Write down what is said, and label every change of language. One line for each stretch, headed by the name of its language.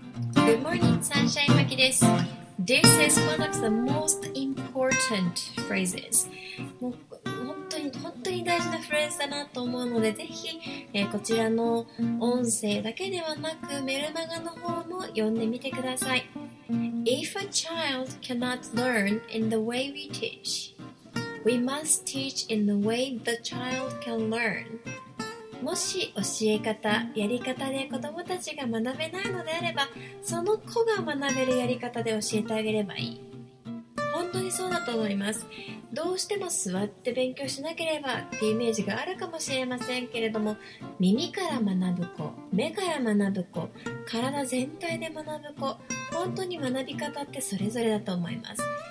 English: Good morning, Sunshine Maki です。 This is one of the most important phrases.
Japanese: もう本当に大事なフレーズだなと思うので、ぜひ、こちらの音声だけではなくメルマガの方も読んでみてください。
English: If a child cannot learn in the way we teach, we must teach in the way the child can learn。
Japanese: もし教え方、やり方で子どもたちが学べないのであれば、その子が学べるやり方で教えてあげればいい。本当にそうだと思います。どうしても座って勉強しなければっていうイメージがあるかもしれませんけれども、耳から学ぶ子、目から学ぶ子、体全体で学ぶ子、本当に学び方ってそれぞれだと思います。